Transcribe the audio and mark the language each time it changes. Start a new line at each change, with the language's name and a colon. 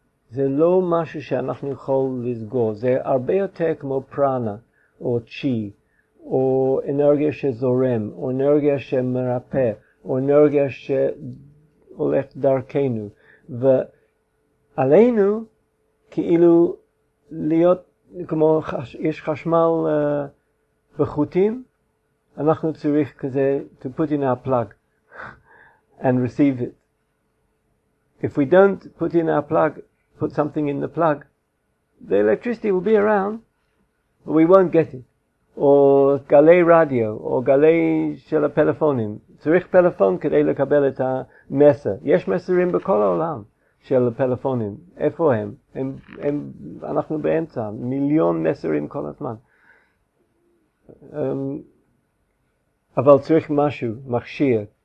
Hebrew: זה לא משהו שאנחנו יכולים לסגור. זה הרבה יותר כמו פרנה או צ'י, או אנרגיה שזורם, או אנרגיה שמרפא, או אנרגיה שהולך דרכנו. ועלינו כאילו להיות כמו יש חשמל בחוטים, אנחנו צריך כזה
English: to put in our plug and receive it. If we don't put in our plug, put something in the plug, the electricity will be around, but we won't get it.
Hebrew: Or galei radio, or galei של הפלאפונים. צריך פלאפון כדי לקבל את המסר. יש מסרים בכל העולם של הפלאפונים. איפה הם? הם אנחנו באמצע. מיליון מסרים כל הזמן. אבל צריך משהו, מכשיר.